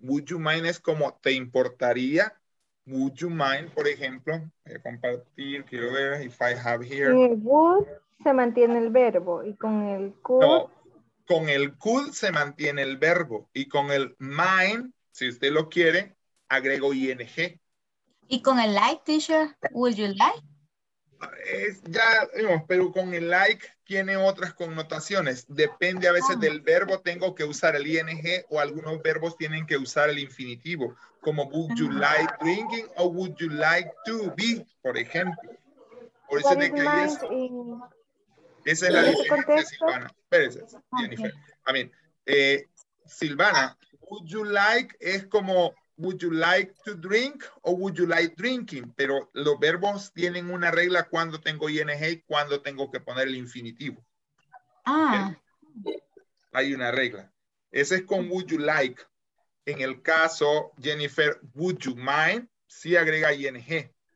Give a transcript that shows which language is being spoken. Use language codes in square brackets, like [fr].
[en] Would you mind [es] es como te importaría. Would you mind, por ejemplo, voy a compartir, quiero ver [en] if I have here. [es] Con el would se mantiene el verbo y con el could. No, con el could se mantiene el verbo y con el mind, si usted lo quiere, agrego ing. Y con el like, teacher, [en] would you like? [es] Es ya, pero con el like tiene otras connotaciones. Depende a veces del verbo, tengo que usar el ing o algunos verbos tienen que usar el infinitivo. Como [en] would you like drinking [es] o [en] would you like to be, [es] por ejemplo. Por eso de que es, esa es la diferencia, Silvana. Espérese, Jennifer. [en] Okay. I mean, Silvana, would you like [es] es como... [en] Would you like to drink or would you like drinking? [es] Pero los verbos tienen una regla cuando tengo ing y cuando tengo que poner el infinitivo. Ah. ¿Okay? Hay una regla. Ese es con [en] would you like. [es] En el caso, Jennifer, [en] would you mind? [es] Sí agrega ing.